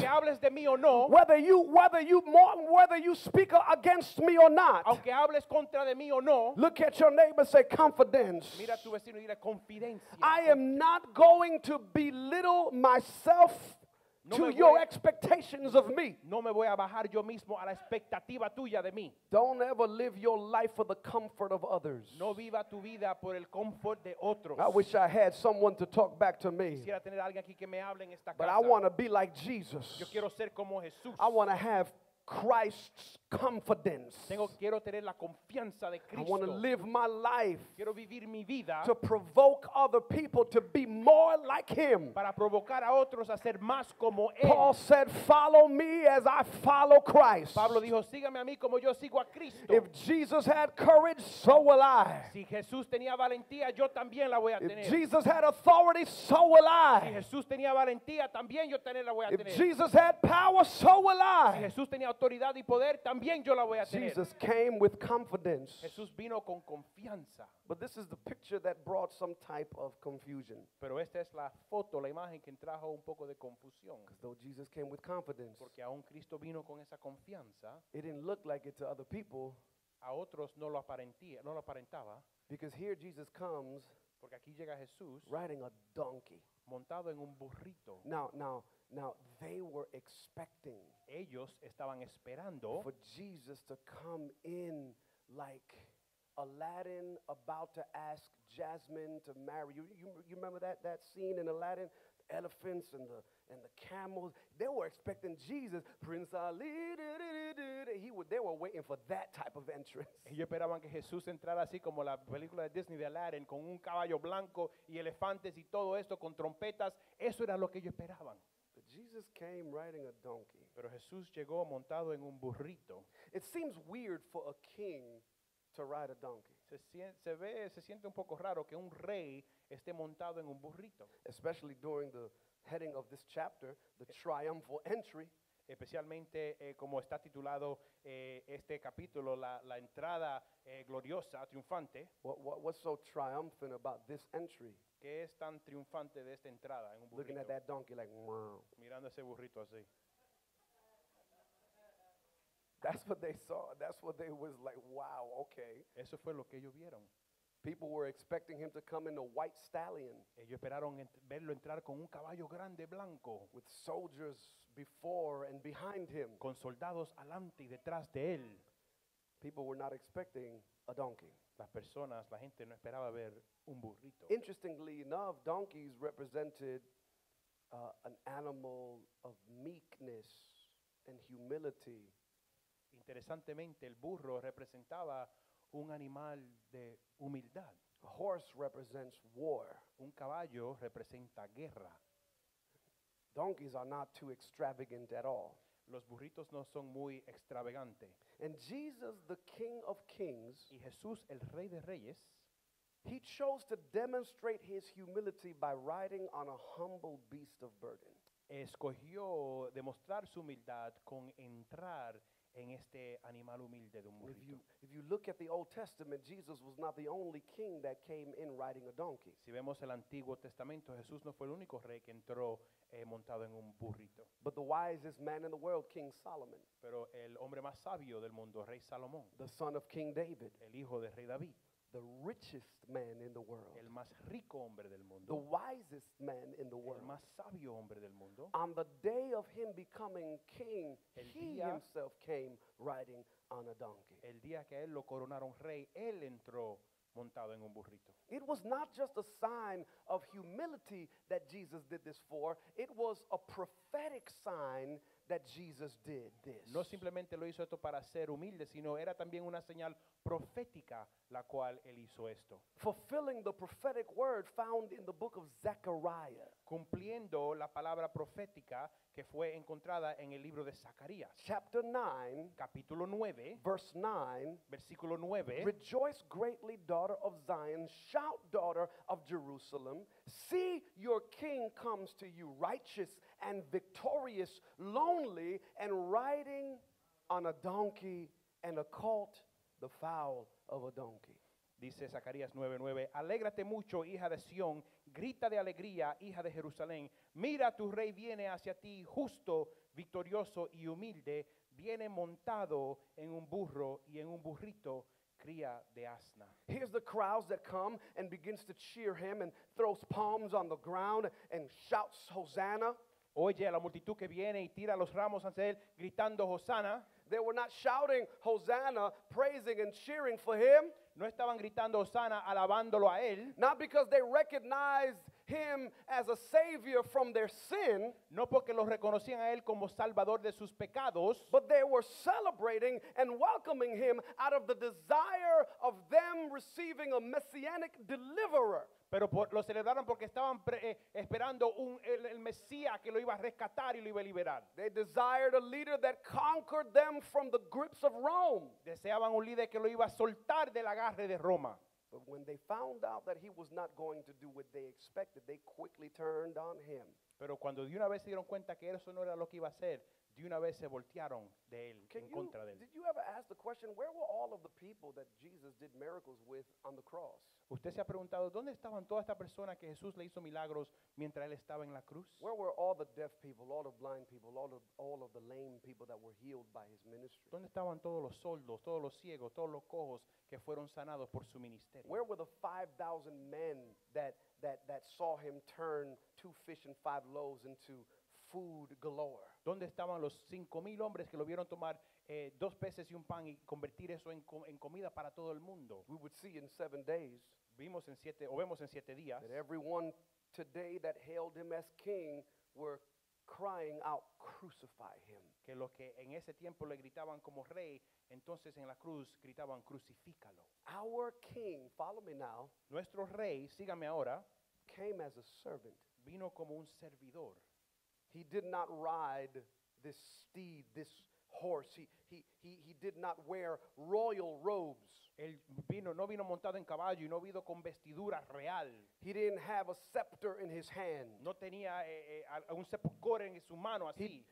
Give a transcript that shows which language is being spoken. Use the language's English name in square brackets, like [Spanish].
[Spanish] aunque hables de mí o no, [English] whether you speak against me or not, [Spanish] aunque hables contra de mí o no, [English] look at your neighbor and say, confidence. [Spanish] Mira a tu vecino y dile, [English] I am not going to belittle myself to your expectations of me. [Spanish] No me voy a bajar yo mismo a la expectativa tuya de mí. [English] Don't ever live your life for the comfort of others. [Spanish] No viva tu vida por el confort de otros. [English] I wish I had someone to talk back to me. [Spanish] Quisiera tener alguien aquí que me hable en esta casa. [English] But I want to be like Jesus. [Spanish] Yo quiero ser como Jesús. [English] I want to have Christ's confidence. [Spanish] Tengo, quiero tener la confianza de Cristo. [English] I want to live my life, [Spanish] quiero vivir mi vida, [English] to provoke other people to be more like him. [Spanish] Para provocar a otros a ser más como él. [English] Paul said, follow me as I follow Christ. [Spanish] Pablo dijo, sígame a mí como yo sigo a Cristo. [English] If Jesus had courage, so will I. [Spanish] Si Jesús tenía valentía, yo también la voy a tener. [English] If Jesus had authority, so will I. [Spanish] Si Jesús tenía valentía, también yo también la voy a [English] if [Spanish] tener. [English] Jesus had power, so will I. [Spanish] Si Jesús tenía autoridad y poder, también yo la voy a tener. [English] Jesus came with confidence. [Spanish] Jesús vino con confianza. [English] But this is the picture that brought some type of confusion. [Spanish] Pero esta es la foto, la imagen que trajo un poco de confusión. [English] Because though Jesus came with confidence, [Spanish] porque aún Cristo vino con esa confianza, [English] it didn't look like it to other people. [Spanish] A otros no lo aparentía, no lo aparentaba. [English] Because here Jesus comes, [Spanish] porque aquí llega Jesús, [English] riding a donkey, [Spanish] montado en un burrito. [English] Now they were expecting. [Spanish] Ellos estaban esperando [English] for Jesus to come in like Aladdin about to ask Jasmine to marry you. You remember that scene in Aladdin? Elephants and the camels. They were expecting Jesus, Prince Ali. They were waiting for that type of entrance. [Spanish] Ellos esperaban que Jesús entrara así como la película de Disney de Aladdin, con un caballo blanco y elefantes y todo esto con trompetas. Eso era lo que ellos esperaban. [English] Jesus came riding a donkey. [Spanish] Pero Jesús llegó montado en un burrito. [English] It seems weird for a king to ride a donkey. [Spanish] Se siente un poco raro que un rey esté montado en un burrito. [English] Especially during the heading of this chapter, the triumphal entry. [Spanish] Especialmente como está titulado este capítulo, la entrada gloriosa, triunfante. [English] What's so triumphant about this entry? [Spanish] ¿Qué es tan triunfante de esta entrada en un burrito? [English] Looking at that donkey like, wow. [Spanish] Mirando ese burrito así. [English] That's what they saw. That's what they was like, wow, okay. [Spanish] Eso fue lo que ellos vieron. [English] People were expecting him to come in a white stallion. [Spanish] Ellos esperaron verlo entrar con un caballo grande blanco. [English] With soldiers before and behind him. [Spanish] Con soldados adelante y detrás de él. [English] People were not expecting a donkey. [Spanish] Las personas, la gente no esperaba ver un burrito. [English] Interestingly enough, donkeys represented an animal of meekness and humility. [Spanish] Interesantemente, el burro representaba un animal de humildad. [English] A horse represents war. [Spanish] Un caballo representa guerra. [English] Donkeys are not too extravagant at all. [Spanish] Los burritos no son muy extravagantes. [English] And Jesus, the King of Kings, [Spanish] y Jesús, el Rey de Reyes, [English] he chose to demonstrate his humility by riding on a humble beast of burden. [Spanish] Escogió demostrar su humildad con entrar en este animal humilde de un burrito. [English] If you look at the Old Testament, Jesus was not the only king that came in riding a donkey. [Spanish] Si vemos el Antiguo Testamento, Jesús no fue el único rey que entró montado en un burrito. [English] But the wisest man in the world, King Solomon. [Spanish] Pero el hombre más sabio del mundo, Rey Salomón. [English] The son of King David. [Spanish] El hijo de Rey David. [English] The richest man in the world. [Spanish] El más rico hombre del mundo. [English] The wisest man in the world. [Spanish] El más sabio hombre del mundo. [English] On the day of him becoming king, he himself came riding on a donkey. [Spanish] El día que él lo coronaron rey, él entró montado en un burrito. [English] It was not just a sign of humility that Jesus did this for. It was a prophetic sign that Jesus did this. [Spanish] No simplemente lo hizo esto para ser humilde, sino era también una señal profética la cual él hizo esto. [English] Fulfilling the prophetic word found in the book of Zechariah. [Spanish] Cumpliendo la palabra profética que fue encontrada en el libro de Zacarías. [English] Chapter 9, [Spanish] capítulo 9, [English] verse 9, [Spanish] versículo 9. [English] Rejoice greatly, daughter of Zion, shout, daughter of Jerusalem. See, your king comes to you, righteous and victorious, lonely and riding on a donkey and a colt, the foal of a donkey. [Spanish] Dice Zacarías 9:9, alégrate mucho, hija de Sion, grita de alegría, hija de Jerusalén. Mira, tu rey viene hacia ti, justo, victorioso y humilde, viene montado en un burro y en un burrito, cría de asna. [English] Here's the crowds that come and begins to cheer him and throws palms on the ground and shouts Hosanna. [Spanish] Oye a la multitud que viene y tira los ramos hacia él, gritando Hosanna. [English] They were not shouting Hosanna, praising and cheering for him. [Spanish] No estaban gritando Hosanna, alabándolo a él. [English] Not because they recognized him as a savior from their sin. [Spanish] No porque lo reconocían a él como salvador de sus pecados. [English] But they were celebrating and welcoming him out of the desire of them receiving a messianic deliverer. [Spanish] Pero lo celebraron porque estaban esperando el Mesías que lo iba a rescatar y lo iba a liberar. [English] They desired a leader that conquered them from the grips of Rome. [Spanish] Deseaban un líder que lo iba a soltar del agarre de Roma. [English] But when they found out that he was not going to do what they expected, they quickly turned on him. [Spanish] Pero cuando de una vez se dieron cuenta que eso no era lo que iba a hacer, de una vez se voltearon de él, en contra de él. [English] Did you ever ask the question, where were all of the people that Jesus did miracles with on the cross? [Spanish] ¿Usted se ha preguntado dónde estaban todas estas personas que Jesús le hizo milagros mientras él estaba en la cruz? [English] Where were all the deaf people, all the blind people, all of the lame people that were healed by his ministry? [Spanish] ¿Dónde estaban todos los sordos, todos los ciegos, todos los cojos que fueron sanados por su ministerio? [English] Where were the 5,000 men that saw him turn 2 fish and 5 loaves into food galore? [Spanish] ¿Dónde estaban los 5,000 hombres que lo vieron tomar 2 peces y un pan y convertir eso en comida para todo el mundo? [English] We would see in 7 days. [Spanish] Vimos en siete, o vemos en 7 días. [English] That everyone today that hailed him as king were crying out, crucify him. [Spanish] Que los que en ese tiempo le gritaban como rey, entonces en la cruz gritaban, crucifícalo. [English] Our king, follow me now. [Spanish] Nuestro rey, sígame ahora. [English] Came as a servant. [Spanish] Vino como un servidor. [English] He did not ride this steed, this horse. He did not wear royal robes. [Spanish] Él vino, no vino montado en caballo y no vino con vestidura real. [English] He didn't have a scepter in his hand. [Spanish] No tenía un cepulcro en su mano así.